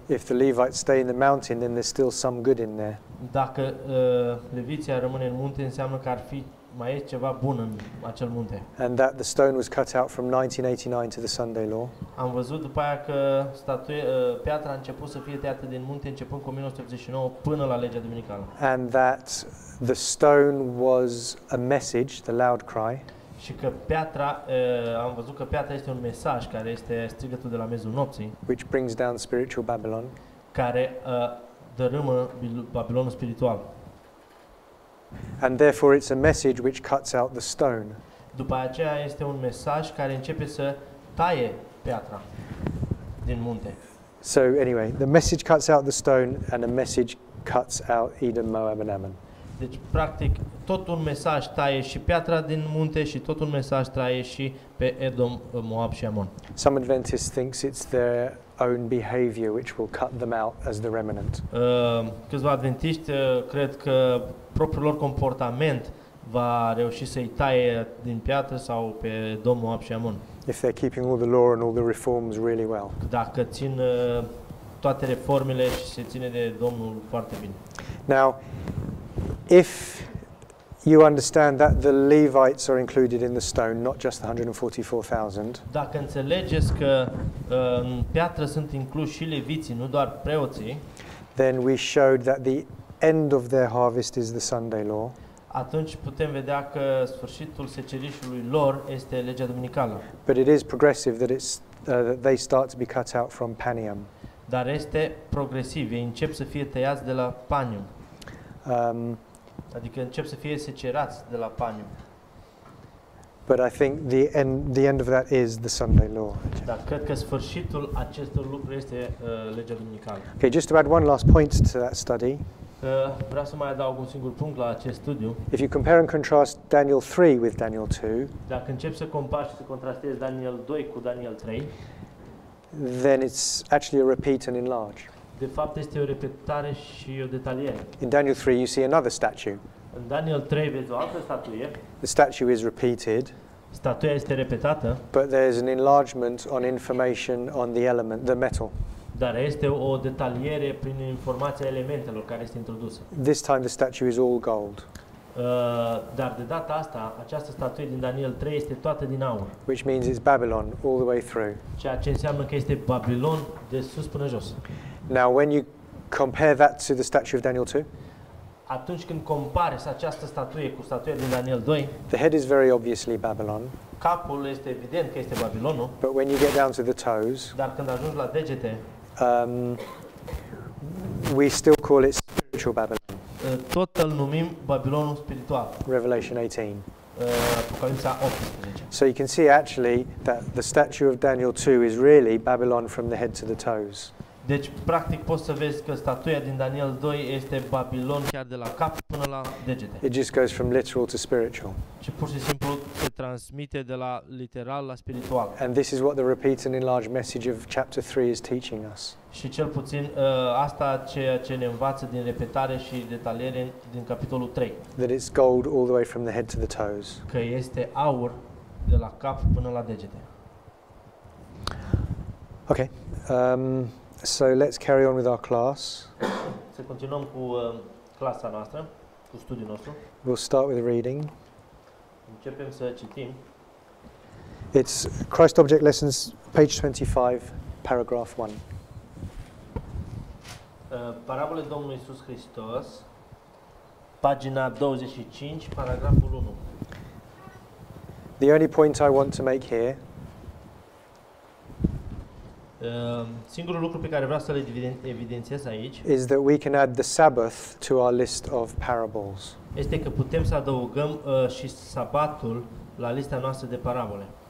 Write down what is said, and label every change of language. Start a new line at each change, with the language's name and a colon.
English: If the Levites stay in the mountain, then there's still some good in there.
Romanian: Dacă leviții rămân în munte, înseamnă că ar fi mai e ceva bun în acel munte.
English: And that the stone was cut out from 1989 to the Sunday law.
Romanian: Am văzut după aia că statuia, piatra a început să fie tăiată din munte începând cu 1989 până la legea duminicală.
English: And that the stone was a message, the loud cry.
Romanian: Și că piatra, am văzut că piatra este un mesaj care este strigătul de la miezul nopții.
English: Which brings down spiritual Babylon.
Romanian: Care dărâmă Babilonul spiritual.
English: And therefore it's a message which cuts out the stone.
Romanian: După aceea este un mesaj care începe să taie piatra din munte.
English: So anyway, the message cuts out the stone and a message cuts out Edom, Moab and Ammon.
Romanian: Deci practic tot un mesaj taie și piatra din munte și tot un mesaj taie și pe Edom, Moab și Ammon.
English: Some Adventists think it's their own behavior which will cut them out as the remnant.
Romanian: Câțiva adventiști cred că propriul lor comportament va reuși să-i taie din piatră sau pe Edom, Moab și Ammon.
English: If they're keeping all the law and all the reforms really well.
Romanian: Dacă țin toate reformele și se ține de Domnul foarte bine.
English: Now, if you understand that the Levites are included in the stone, not just the 144,000.
Romanian: Dacă înțelegeți că în piatră sunt incluși și leviții, nu doar preoții.
English: Then we showed that the end of their harvest is the Sunday law.
Romanian: Atunci putem vedea că sfârșitul secerișului lor este legea duminicală.
English: But it is progressive that it's that they start to be cut out from Panium.
Romanian: Dar este progresiv, ei încep să fie tăiați de la Panium. Adică încep să fie secerați de la Panium.
English: But I think the end of that is the Sunday law.
Romanian: Dar cred că sfârșitul acestor lucruri este legea duminicală.
English: Okay, just to add one last point to that study.
Romanian: Vreau să mai adaug un singur punct la acest studiu.
English: If you compare and contrast Daniel 3 with Daniel 2.
Romanian: Dacă încep să compari și să contrastezi Daniel 2 cu Daniel 3.
English: Then it's actually a repeat and enlarge.
Romanian: De fapt este o repetare și o detaliere.
English: In Daniel 3 you see another statue.
Romanian: În Daniel 3 vezi o altă statuie.
English: The statue is repeated.
Romanian: Statuia este repetată.
English: But there's an enlargement on information on the element, the metal.
Romanian: Dar este o detaliere prin informația elementelor care este introdusă.
English: This time the statue is all gold.
Romanian: Dar de data asta, această statuie din Daniel 3 este toată din aur.
English: Which means it's Babylon all the way through.
Romanian: Ceea ce înseamnă că este Babilon de sus până jos.
English: Now when you compare that to the statue of Daniel 2,
Romanian: atunci când compari această statuie cu statuia din Daniel 2,
English: the head is very obviously Babylon.
Romanian: Capul este evident că este Babilonul.
English: But when you get down to the toes,
Romanian: dar când ajungi la degete,
English: we still call it spiritual Babylon.
Romanian: Tot îl numim Babilonul spiritual.
English: Revelation 18.
Romanian: Apocalipsa 18.
English: So you can see actually that the statue of Daniel 2 is really Babylon from the head to the toes.
Romanian: Deci practic poți să vezi că statuia din Daniel 2 este Babilon chiar de la cap până la degete.
English: It just goes from literal to spiritual.
Romanian: Și pur și simplu se transmite de la literal la spiritual.
English: And this is what the repeat and enlarged message of chapter 3 is teaching us.
Romanian: Și cel puțin asta ceea ce ne învață din repetare și detaliere din capitolul 3.
English: That it's gold all the way from the head to the toes.
Romanian: Că este aur de la cap până la degete.
English: Okay. So let's carry on with our class.
Romanian: Să continuăm cu clasa noastră, cu studiul nostru.
English: We'll start with reading.
Romanian: Începem să citim.
English: It's Christ Object Lessons, page 25, paragraph 1.
Romanian: Parabole Domnului Iisus Hristos, pagina 25, paragraful 1.
English: The only point I want to make here
Romanian: Singurul lucru pe care vreau să-l evidențiez aici
English: is that we can add the Sabbath to our list of parables.
Romanian: Este că putem să adăugăm și sabatul la lista noastră de parabole.